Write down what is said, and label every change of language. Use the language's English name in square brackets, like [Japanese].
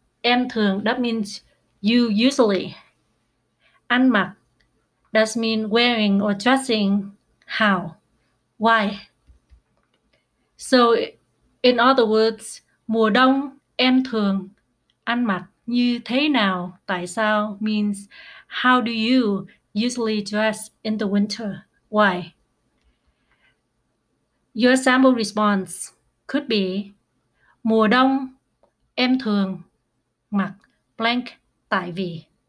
[Vietnamese] Em thường, [English] that means you usually. [Vietnamese] Ăn mặc, [English] that means wearing or dressing. How? Why? So, in other words, [Vietnamese] mùa đông, em thường ăn mặc như thế nào? Tại sao? [English] Means how do you usually dress in the winter? Why? Your sample response could be, [Vietnamese] mùa đông em thường mặc blank tại vì.